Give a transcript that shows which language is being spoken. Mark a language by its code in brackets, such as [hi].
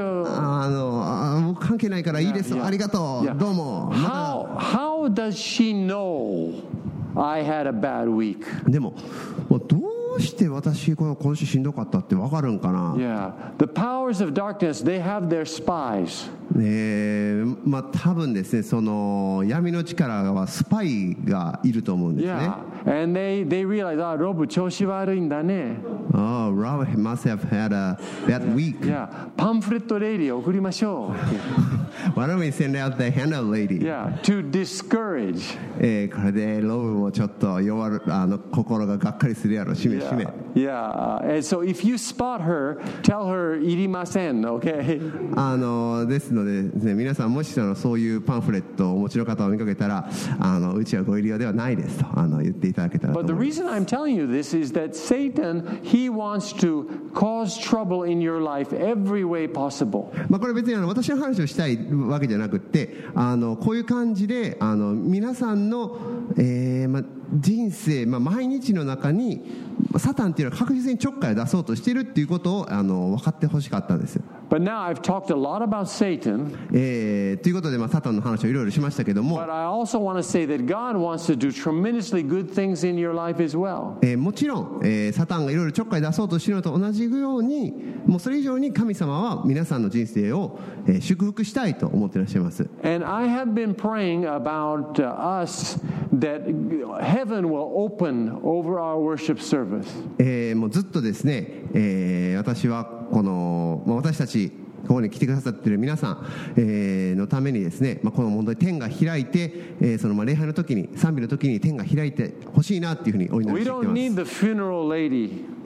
[ja] もう関係ないからいいです。 [en] Yeah, yeah. [ja] ありがとう。 [en] Yeah. [ja] どうも。 [en] How does she know I had a bad week? [ja] でも。どうして私この今週しんどかったってわかるんかな。 [en] Yeah, the powers of darkness, they have their spies. [ja] まあ多分ですね、その闇の力はスパイがいると思うんですね。 [en] Yeah, and they realize, ah, Rob [ja] 調子悪いんだね。 [en] Oh, Rob must have had a bad week. [ja] Yeah, パンフレットレディを送りましょう。 [en] Why don't we send out the handout lady? Yeah, to discourage. [ja] これでロブもちょっと弱、あの心ががっかりするやろ、しめしめ。 [en] Yeah, and so if you spot her, tell her [ja] いりません、 [en] okay? [ja] ですので、ね、皆さんもしあのそういうパンフレットをお持ちの方を見かけたら、あのうちはご入り用ではないですと、あの言っていただけたらと。 [en] But the reason I'm telling you this is that Satan, he wants to cause trouble in your life every way possible. [ja] まあこれ別にあの私の話をしたい。わけじゃなくて、あのこういう感じであの皆さんの、ま、人生、ま、毎日の中にサタンというのは確実にちょっかいを出そうとしているということをあの分かってほしかったんです。 [en] But now I've talked a lot about Satan, [ja] ということで、ま、サタンの話をいろいろしましたけども、 [en] But I also want to say that God wants to do tremendously good things in your life as well. [ja] もちろん、サタンがいろいろちょっかいを出そうとしているのと同じように、もうそれ以上に神様は皆さんの人生を、祝福したいと思っていらっしゃいます。 [en] And I have been praying about us that heaven will open over our worship service. [ja] もうずっとですね、私はこの、まあ、私たちここに来てくださっている皆さん、のためにですね、まあ、この問題天が開いて、そのまあ礼拝の時に賛美の時に天が開いてほしいなっていうふうにお祈りしています [en] 。 We don't need the funeral lady.